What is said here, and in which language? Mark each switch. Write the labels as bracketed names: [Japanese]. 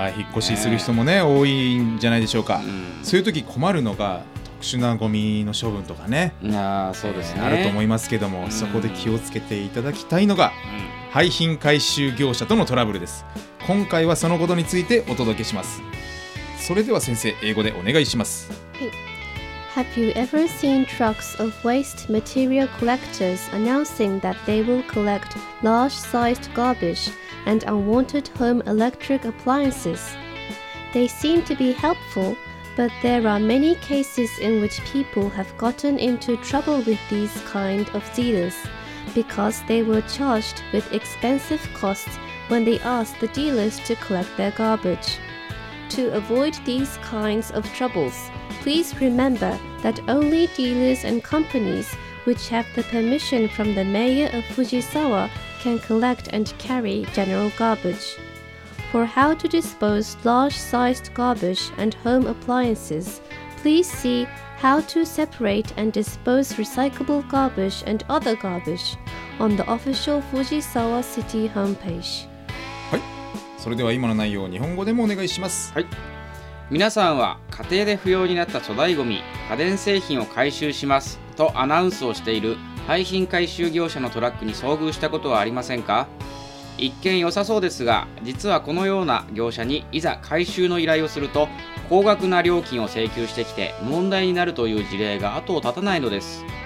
[Japanese] はい、引っ越しする人も ね多いんじゃないでしょうか、うん、そういう時困るのが特殊なゴミの処分とかね、あ、そうですね、あると思いますけども、うん、そこで気をつけていただきたいのが、うん、廃品回収業者とのトラブルです。今回はそのことについてお届けします。それでは先生、英語でお願いします。 [English] Have you ever seen trucks of waste material collectors announcing that they will collect large sized garbage and unwanted home electric appliances? They seem to be helpful, but there are many cases in which people have gotten into trouble with these kind of dealers because they were charged with expensive costsWhen they asked the dealers to collect their garbage. To avoid these kinds of troubles, please remember that only dealers and companies which have the permission from the mayor of Fujisawa can collect and carry general garbage. For how to dispose large-sized garbage and home appliances, please see How to Separate and Dispose Recyclable Garbage and Other Garbage on the official Fujisawa City homepage. [Japanese] それでは今の内容を日本語でもお願いします、はい、皆さんは家庭で不要になった粗大ごみ、家電製品を回収しますとアナウンスをしている廃品回収業者のトラックに遭遇したことはありませんか。一見良さそうですが、実はこのような業者にいざ回収の依頼をすると高額な料金を請求してきて問題になるという事例が後を絶たないのです。